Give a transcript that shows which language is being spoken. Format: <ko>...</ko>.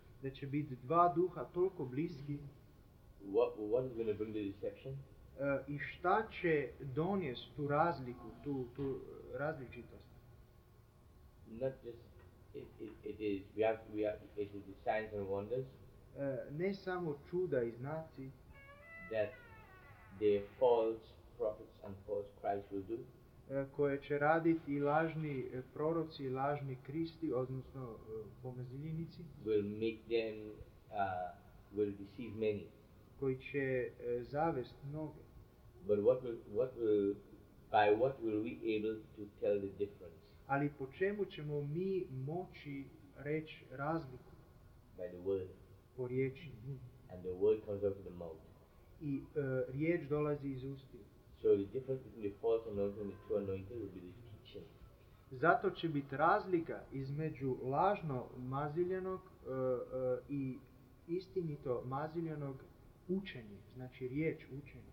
<hr>Da će biti dva duha toliko bliski.</hr> <en>What is going to bring the deception?</en> <hr>I šta će donijest tu razliku, tu različitost?</hr> <en>Not just it is we are it is the signs and wonders.</en> <hr>Ne samo čuda i znaci.</hr> <en>That the false prophets and false Christ. Christ will do.</en> <hr>Koje će raditi i lažni proroci, i lažni Kristi, odnosno pomazljenici.</hr> <en>Will make them, will deceive many.</en> <hr>Koji će zavest mnoge.</hr> <en>But what will by what will we able to tell the difference?</en> <hr>Ali po čemu ćemo mi moći reći razliku?</hr> <en>By the word.</en> <hr>Po riječi.</hr> <en>And the word comes out of the mouth.</en> <hr>I riječ dolazi iz usta.</hr> <en>So the difference between the false anointing and the true anointing will be the teaching.</en> <hr>Zato će biti razlika između lažno maziljenog i istinito maziljenog učenje, znači riječ učenje.</hr>